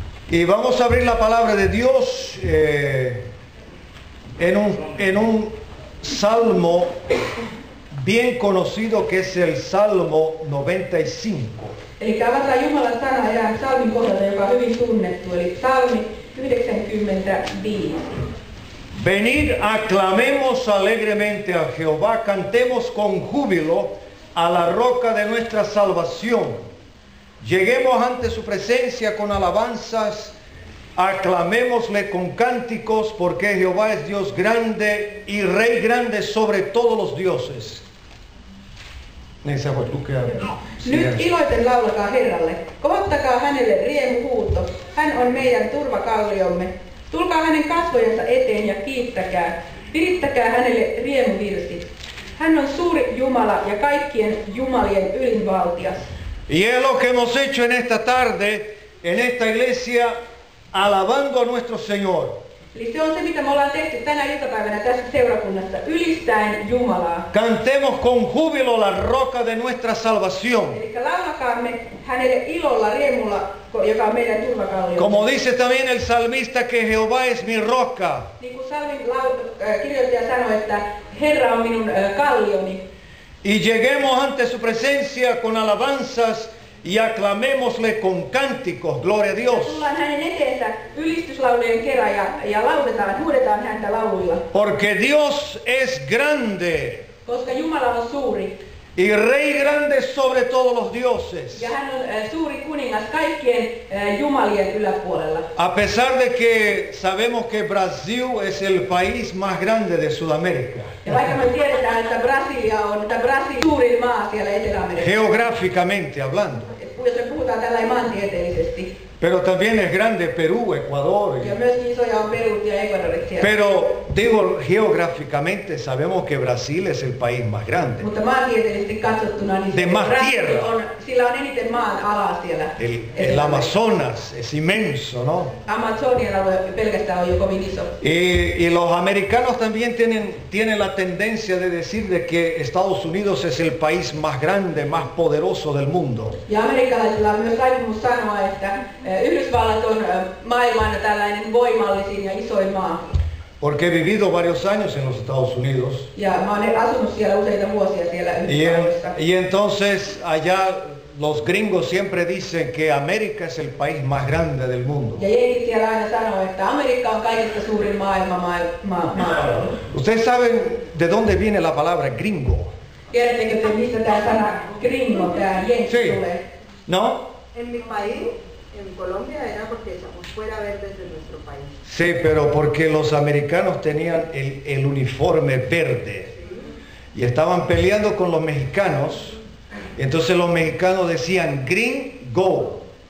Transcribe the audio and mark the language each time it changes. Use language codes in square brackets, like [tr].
[es] Y vamos a abrir la palabra de Dios en un salmo bien conocido que es el Salmo 95. [fi] Eli kaavataan Jumalan sana ja salmin kohdalta, joka on hyvin tunnettu, eli salmi 95. [es] Venid, aclamemos alegremente a Jehová, cantemos con júbilo a la roca de nuestra salvación. Lleguemos ante su presencia con alabanzas, aclamémosle con cánticos, porque Jehová es Dios grande y Rey grande sobre todos los dioses. [fi] Niin sä voit lukea. Nyt iloiten laulakaa Herralle. Kohottakaa hänelle riemuhuuto. Hän on meidän turvakalliomme. Tulkaa hänen kasvojensa eteen ja kiittäkää. Virittäkää hänelle riemuvirsi. Hän on suuri Jumala ja kaikkien jumalien ylinvaltias. [es] Y es lo que hemos hecho en esta tarde, en esta iglesia, alabando a nuestro Señor. [fi] Eli se on se, mitä me ollaan tehty tänä iltapäivänä tässä seurakunnassa, ylistäen Jumalaa. [es] Cantemos con júbilo la roca de nuestra salvación. [fi] Eli laulakaamme hänelle ilolla, riemulla, joka on meidän turvakallio. [es] Como dice también el salmista que Jehová es mi roca. [fi] Niin kuin salmin kirjoittaja sanoi, että Herra on minun kallioni. [es] Y lleguemos ante su presencia con alabanzas y aclamémosle con cánticos, gloria a Dios. [fi] Tullaan hänen eteensä ylistyslaulujen kerran ja lauletaan, huudetaan häntä lauluilla. [es] Porque Dios es grande. [fi] Koska Jumala on suuri. [es] Y Rey grande sobre todos los dioses. [fi] Ja hän on suuri kuningas kaikkien jumalien yläpuolella. [es] A pesar de que sabemos que Brasil es el país más grande de Sudamérica. [fi] Ja vaikka me tiedetään, että Brasilia on, että Brasil suurin maa siellä Etelä-Amerikassa. [es] Geográficamente hablando. [fi] Jos me puhutaan tällä maantieteellisesti. [es] Pero también es grande Perú, Ecuador. [fi] Ja myös isoja on Perú ja Ecuador. [es] Pero digo geográficamente sabemos que Brasil es el país más grande. [fi] Mutta maantieteellisesti katsottuna niin [es] de más tierra. [fi] Sillä on eniten maan alaa siellä. [es] El Amazonas es inmenso, ¿no? [fi] Amazonian alue pelkästään on jo kovin iso. [es] Y los americanos también tienen la tendencia de decir de que Estados Unidos es el país más grande, más poderoso del mundo. [fi] Ja amerikkalaisilla on myös taipumus sanoa, että Yhdysvallat on maailman tällainen voimallisin ja isoin maa. [es] Porque he vivido varios años en los Estados Unidos. [fi] Ja mä oon asunut siellä useita vuosia siellä Yhdysvalloissa. [es] Y entonces allá los gringos siempre dicen que América es el país más grande del mundo. [fi] Ja jengi siellä aina sanoo, että Amerikka on kaikista suurin maailma. [es] Ustedes saben de dónde viene la palabra gringo. [fi] Tiedättekö te, mistä tää sana gringo, tää jengi [es] sí. [fi] Tulee? [es] No? En mi país. En Colombia era porque estamos fuera verdes de nuestro país. Sí, pero porque los americanos tenían el uniforme verde. Y estaban peleando con los mexicanos. Entonces los mexicanos decían, [en] green, go.